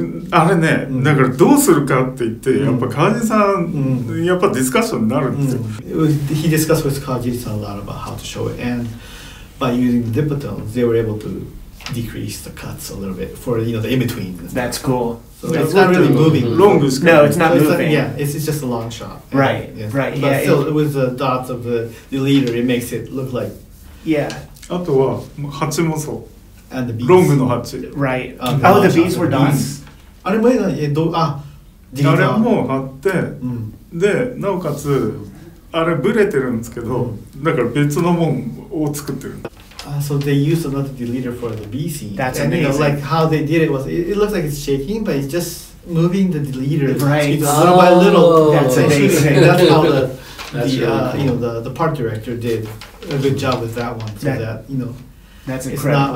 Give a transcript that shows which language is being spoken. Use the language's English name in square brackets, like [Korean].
[Japanese] あれね、だからどうするかって言って、やっぱ川尻さん、やっぱディスカッションになるんですよ。 [English] He discussed with 川尻さん a lot about how to show it, and by using the dip tones, they were able to decrease the cuts a little bit for, you know, the in-between. That's cool. So it's not really moving. Long screen. No, it's not moving. It's just a long shot. Right. But still, with the dots of the leader, it makes it look like... Yeah. [Japanese] あとは、ハチもそう。 [English] And the bees. [Japanese] ロングのハチ。 [English] Right. Oh, the bees were dots. [Japanese] あれも、あれも貼って、で、なおかつ、あれブレてるんですけど、だから別のもんを作ってる。 [English] So they used another deleter for the B scene. That's and amazing. And like how they did it was, it looks like it's shaking, but it's just moving the deleter right. little by little. That's amazing. That's how that's really cool. You know, the part director did a good job with that one. That's incredible.